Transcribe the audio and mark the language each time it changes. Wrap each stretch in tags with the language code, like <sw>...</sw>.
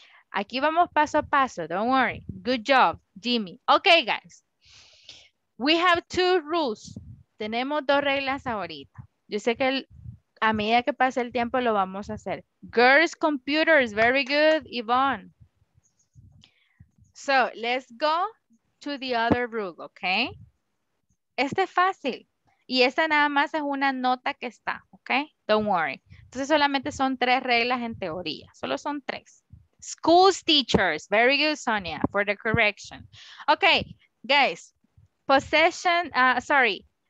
<es>Aquí vamos paso a paso.</es> <en>Don't worry. Good job, Jimmy. Okay, guys. We have two rules.</en> <es>Tenemos dos reglas ahorita. Yo sé que a medida que pase el tiempo lo vamos a hacer.</es> <en>Girls computers. Very good, Yvonne. So, let's go to the other rule, okay?</en> <es>Este es fácil. Y esta nada más es una nota que está, okay?</es> <en>Don't worry.</en> <es>Entonces solamente son tres reglas en teoría. Solo son tres.</es> <en>Schools teachers. Very good, Sonia, for the correction. Okay, guys. Possession, sorry.</en>